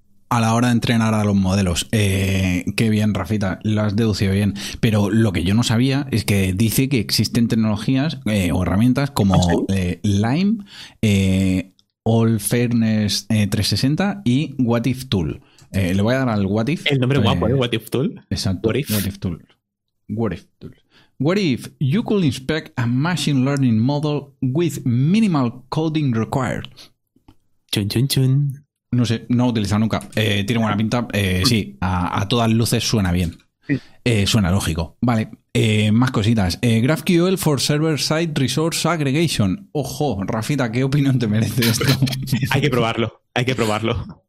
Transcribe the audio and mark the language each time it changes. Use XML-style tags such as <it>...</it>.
<es>A la hora de entrenar a los modelos. Qué bien, Rafita, lo has deducido bien. Pero lo que yo no sabía es que dice que existen tecnologías o herramientas como LIME, All Fairness 360 y What If Tool. Le voy a dar al What If. El nombre guapo, ¿eh? What If Tool. Exacto, What If Tool. What If Tool.</es> <en>What if you could inspect a machine learning model with minimal coding required?</en> <es>Chun, chun, chun. No sé, no he utilizado nunca. Tiene buena pinta. Sí, a todas luces suena bien. Suena lógico. Vale, más cositas. GraphQL for Server Side Resource Aggregation. Ojo, Rafita, ¿qué opinión te merece esto? Hay que probarlo, hay que probarlo.</es>